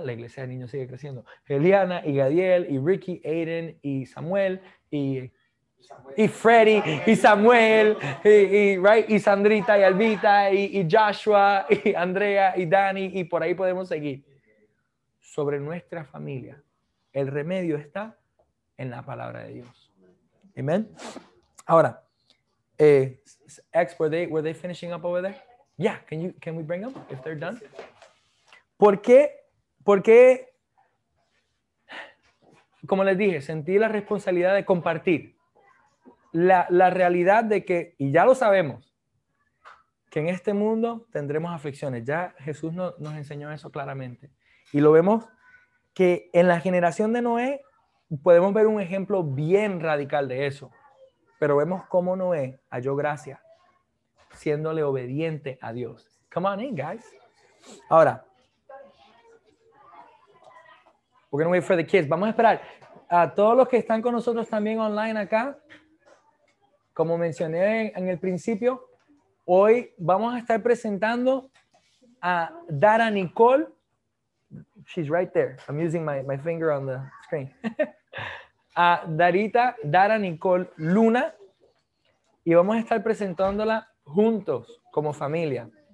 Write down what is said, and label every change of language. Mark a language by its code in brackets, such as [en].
[es] La iglesia de niños sigue creciendo. Eliana, y Gadiel, y Ricky, Aiden, y Samuel, y Samuel. Y Freddy, y Samuel, y Sandrita, y Albita, y Joshua, y Andrea, y Dani, y por ahí podemos seguir. Sobre nuestra familia, el remedio está en la palabra de Dios. Amén. Ahora, [en] were they finishing up over there? Yeah, can we bring them if they're done? [es] ¿Por qué? Como les dije, sentí la responsabilidad de compartir. La realidad de que, y ya lo sabemos, que en este mundo tendremos aflicciones. Ya Jesús nos enseñó eso claramente. Y lo vemos que en la generación de Noé podemos ver un ejemplo bien radical de eso. Pero vemos cómo Noé halló gracia, siéndole obediente a Dios. [en] Come on in, guys. [es] Ahora, [en] We're going to wait for the kids. [es] Vamos a esperar. A todos los que están con nosotros también online acá, como mencioné en el principio, hoy vamos a estar presentando a Dara Nicole. [en] She's right there. I'm using my finger on the screen. [es] A Darita, Dara Nicole Luna. Y vamos a estar presentándola juntos, como familia.